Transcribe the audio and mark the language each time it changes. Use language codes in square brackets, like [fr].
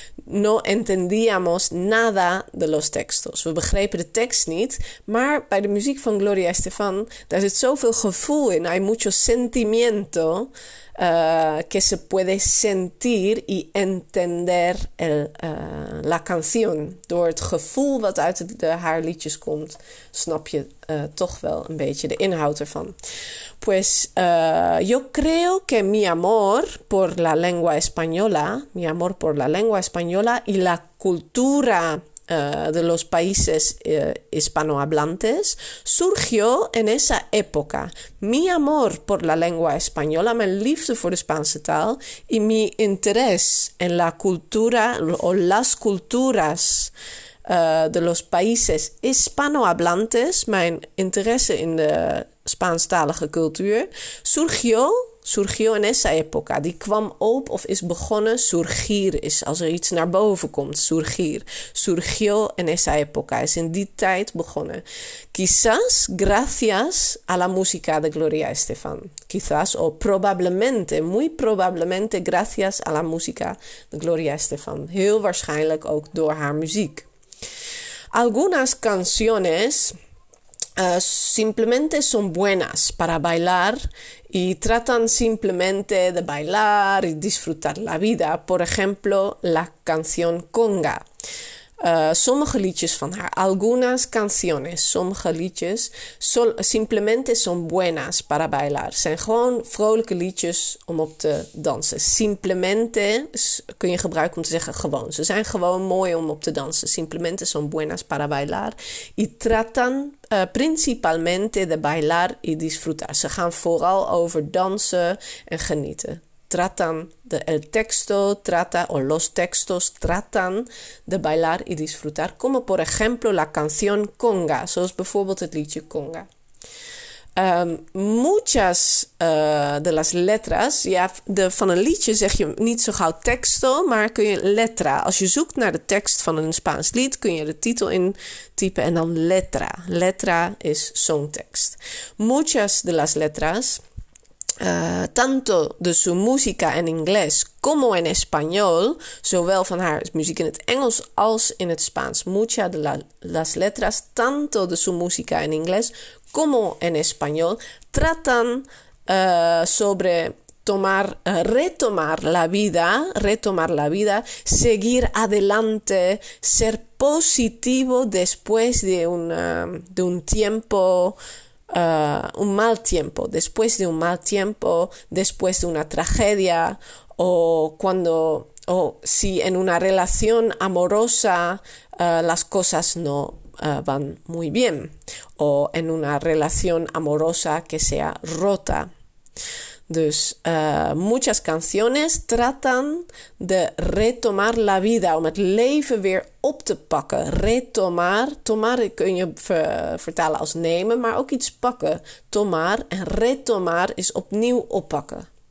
[es] No entendíamos nada de los textos. [nl] We begrepen de tekst niet. Maar bij de muziek van Gloria Estefan, daar zit zoveel gevoel in. [es] Hay mucho sentimiento que se puede sentir y entender la canción. [nl] Door het gevoel wat uit de haar liedjes komt, snap je toch wel een beetje de inhoud ervan. [es] Pues yo creo que mi amor por la lengua española, mi amor por la lengua española y la cultura de los países hispanohablantes surgió en esa época. Mi amor por la lengua española, [nl] mijn liefde voor de Spaanse taal, [es] y mi interés en la cultura o las culturas de los países hispanohablantes, [nl] mijn interesse in de Spaanstalige cultuur, [es] surgió en esa época. [nl] Die kwam op of is begonnen. Surgir is als er iets naar boven komt. [es] Surgir. Surgió en esa época. [nl] Is in die tijd begonnen. [es] Quizás gracias a la música de Gloria Estefan. Quizás o probablemente, muy probablemente gracias a la música de Gloria Estefan. [nl] Heel waarschijnlijk ook door haar muziek. [es] Algunas canciones simplemente son buenas para bailar y tratan simplemente de bailar y disfrutar la vida. Por ejemplo, la canción Conga. [nl] Sommige liedjes van haar, [es] algunas canciones, [nl] sommige liedjes, [es] simplemente son buenas para bailar. [nl] Zijn gewoon vrolijke liedjes om op te dansen. Simplemente kun je gebruiken om te zeggen gewoon. Ze zijn gewoon mooi om op te dansen. [es] Simplemente son buenas para bailar. Y tratan principalmente de bailar y disfrutar. [nl] Ze gaan vooral over dansen en genieten. [es] Tratan de el texto, trata o los textos, tratan de bailar y disfrutar. Como por ejemplo la canción Conga, [nl] zoals bijvoorbeeld het liedje Conga. [es] Muchas de las letras, [nl] ja, van een liedje zeg je niet zo gauw texto, maar kun je letra. Als je zoekt naar de tekst van een Spaans lied, kun je de titel intypen en dan letra. Letra is songtekst. [es] Muchas de las letras. Tanto de su música en inglés como en español, [nl] zowel van haar muziek in het Engels als in het Spaans. [es] Muchas de las letras, tanto de su música en inglés como en español, tratan sobre retomar la vida, seguir adelante, ser positivo después de un tiempo. Un mal tiempo, después de un mal tiempo, después de una tragedia, o si en una relación amorosa las cosas no van muy bien, o en una relación amorosa que sea rota. [nl] Dus [es] muchas canciones tratan de retomar la vida, [nl] om het leven weer op te pakken. Retomar, tomar kun je vertalen als nemen, maar ook iets pakken. Tomar en retomar is opnieuw oppakken.